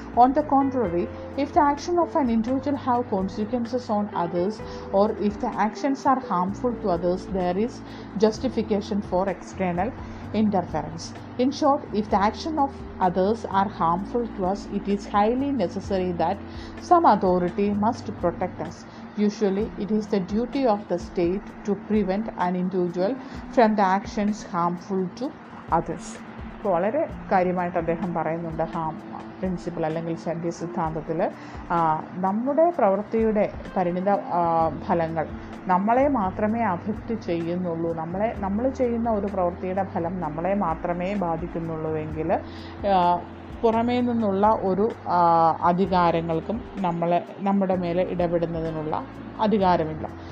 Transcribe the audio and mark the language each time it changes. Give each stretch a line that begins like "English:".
English: On the contrary, if the action of an individual have consequences on others or if the actions are harmful to others, there is justification for external interference. In short, if the action of others are harmful to us, it is highly necessary that some authority must protect us. Usually, it is the duty of the state to prevent an individual from the actions harmful to others.
Malayalam: ഇപ്പോൾ വളരെ കാര്യമായിട്ട് അദ്ദേഹം പറയുന്നുണ്ട് Ham principle അല്ലെങ്കിൽ ശണ്ഡി സിദ്ധാന്തത്തിൽ. നമ്മുടെ പ്രവൃത്തിയുടെ പരിണിത ഫലങ്ങൾ നമ്മളെ മാത്രമേ അഫക്റ്റ് ചെയ്യുന്നുള്ളൂ, നമ്മൾ ചെയ്യുന്ന ഒരു പ്രവൃത്തിയുടെ ഫലം നമ്മളെ മാത്രമേ ബാധിക്കുന്നുള്ളൂവെങ്കിൽ പുറമേ നിന്നുള്ള ഒരു അധികാരങ്ങൾക്കും നമ്മുടെ മേലെ ഇടപെടുന്നതിനുള്ള അധികാരമില്ല.